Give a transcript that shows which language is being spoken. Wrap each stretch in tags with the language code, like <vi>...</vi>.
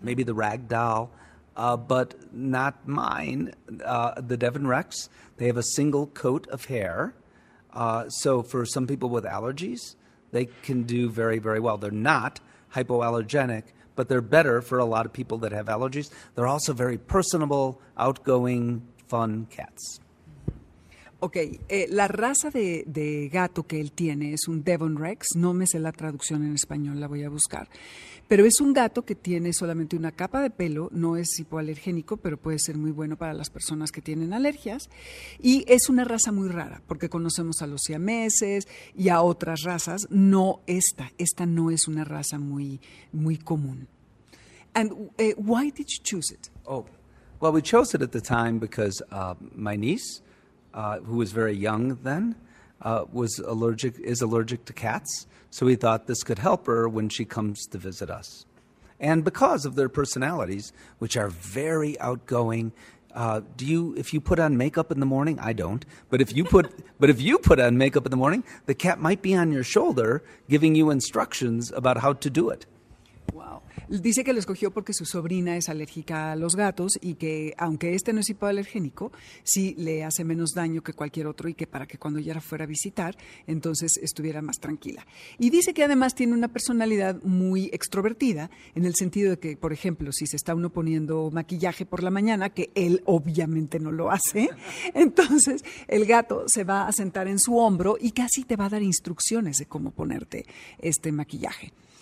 <en>Maybe the Ragdoll, but not mine, the Devon Rex. They have a single coat of hair. So for some people with allergies, they can do very, very well. They're not hypoallergenic, but they're better for a lot of people that have allergies. They're also very personable, outgoing, fun cats.</en> <es>Ok, la raza de gato que él tiene es un Devon Rex, no me sé la traducción en español, la voy a buscar, pero es un gato que tiene solamente una capa de pelo, no es hipoalergénico, pero puede ser muy bueno para las personas que tienen alergias, y es una raza muy rara, porque conocemos a los siameses y a otras razas, no esta, esta no es una raza muy, muy común.</es> <en>And why did you choose it? Oh, well, we chose it at the time because my niece, who was very young then, is allergic to cats. So we thought this could help her when she comes to visit us. And because of their personalities, which are very outgoing, if you put on makeup in the morning, I don't, but if you put but if you put on makeup in the morning, the cat might be on your shoulder giving you instructions about how to do it. Wow.</en> <es>Dice que lo escogió porque su sobrina es alérgica a los gatos y que aunque este no es hipoalergénico, sí le hace menos daño que cualquier otro y que para que cuando ella fuera a visitar, entonces estuviera más tranquila. Y dice que además tiene una personalidad muy extrovertida en el sentido de que, por ejemplo, si se está uno poniendo maquillaje por la mañana, que él obviamente no lo hace, entonces el gato se va a sentar en su hombro y casi te va a dar instrucciones de cómo ponerte este maquillaje.</es>